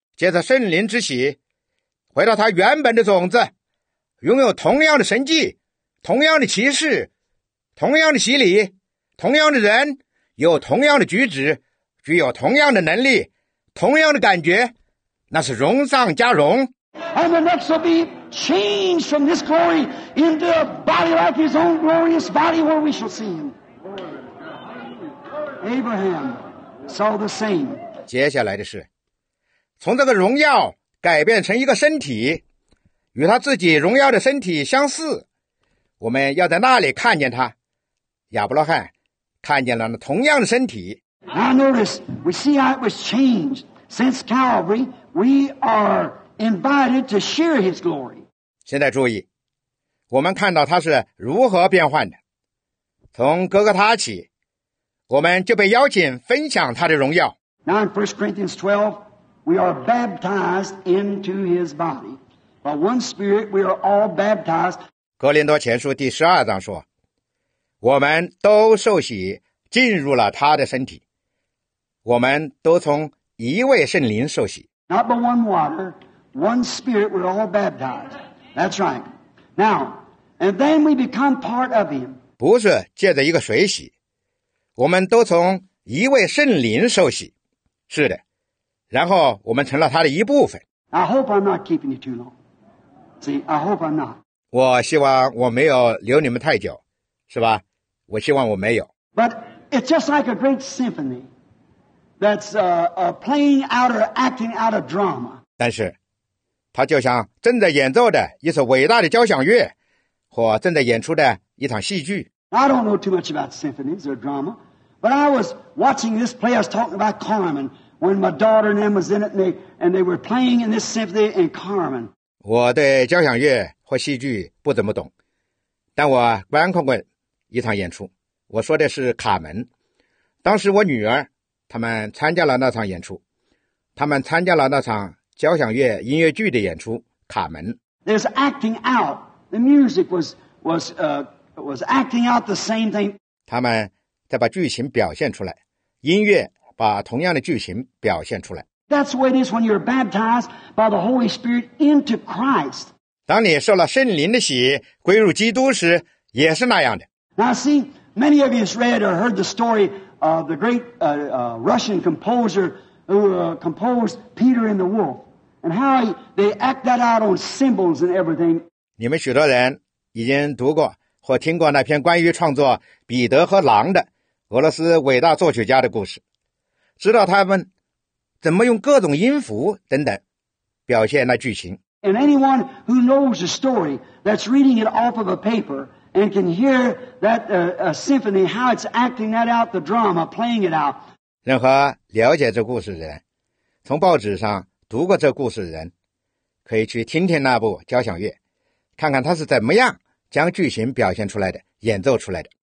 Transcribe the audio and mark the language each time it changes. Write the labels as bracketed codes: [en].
[zh] 借着圣灵之喜，回到他原本的种子。拥有同样的神迹，同样的骑士，同样的洗礼，同样的人，有同样的举止，具有同样的能力，同样的感觉，那是荣上加荣。 [en] And the next will be changed from this glory into a body like his own glorious body where we shall see him. Abraham saw the same. [zh] 接下来的是，从这个荣耀改变成一个身体。与他自己荣耀的身体相似，我们要在那里看见他。亚伯拉罕看见了同样的身体。 [en] Now notice, we see how it was changed. Since Calvary, we are invited to share his glory. [zh] 现在注意，我们看到他是如何变换的。从哥哥他起，我们就被邀请分享他的荣耀。 [en] Now in 1 Corinthians 12, we are baptized into his body. By one spirit, we are all baptized. [zh] 哥林多前书第十二章说，我们都受洗进入了他的身体，我们都从一位圣灵受洗。 [en] Not by one water, one spirit, we're all baptized. That's right. Now, and then we become part of him. [zh] 不是借着一个水洗，我们都从一位圣灵受洗。是的，然后我们成了他的一部分。 [en] I hope I'm not keeping you too long. See, I hope I'm not. [zh] 我希望我没有留你们太久，是吧？我希望我没有。 [en] But it's just like a great symphony that's playing out or acting out a drama. [zh] 但是，它就像正在演奏的一首伟大的交响乐，或正在演出的一场戏剧。 [en] I don't know too much about symphonies or drama, but I was watching this play. I was talking about Carmen when my daughter and them was in it, and they were playing in this symphony in Carmen. [zh] 我对交响乐或戏剧不怎么懂，但我观看过一场演出。我说的是卡门，当时我女儿他们参加了那场演出，他们参加了那场交响乐音乐剧的演出。卡门 [en] There's acting out. The music was acting out the same thing. [zh] 他们在把剧情表现出来，音乐把同样的剧情表现出来。 [en] That's the way it is when you're baptized by the Holy Spirit into Christ. [zh] 当你受了圣灵的洗，归入基督时，也是那样的。 [en] Now see, many of you have read or heard the story of the great Russian composer who composed Peter and the Wolf, and how they act that out on symbols and everything. [zh] 你们许多人已经读过或听过那篇关于创作《彼得和狼》的俄罗斯伟大作曲家的故事，知道他们。怎么用各种音符等等表现那剧情。 [en] And anyone who knows the story that's reading it off of a paper and can hear that symphony, how it's acting that out, the drama, playing it out. [zh] 任何了解这故事的人，从报纸上读过这故事的人，可以去听听那部交响乐，看看他是怎么样将剧情表现出来的，演奏出来的。